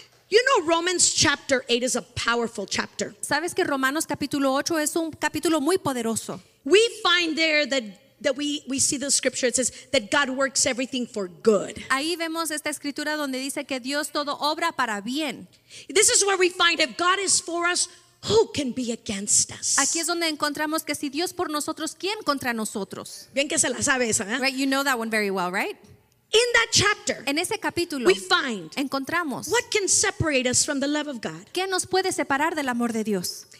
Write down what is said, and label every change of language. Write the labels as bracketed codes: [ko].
[en] You know Romans chapter 8 is a powerful chapter. [es] ¿Sabes que Romanos capítulo 8 es un capítulo muy poderoso? [en] We find there that we see the scripture, it says that God works everything for good. [es] Ahí vemos esta escritura donde dice que Dios todo obra para bien. [en] This is where we find if God is for us, who can be against us? [es] Aquí es donde encontramos que si Dios por nosotros, ¿quién contra nosotros? Bien que se la sabe esa, ¿eh? [en] Right, you know that one very well, right? In that chapter, [es] en ese capítulo, [en] we find [es] encontramos [en] what can separate us from the love of God. [es] ¿Qué nos puede separar del amor de Dios?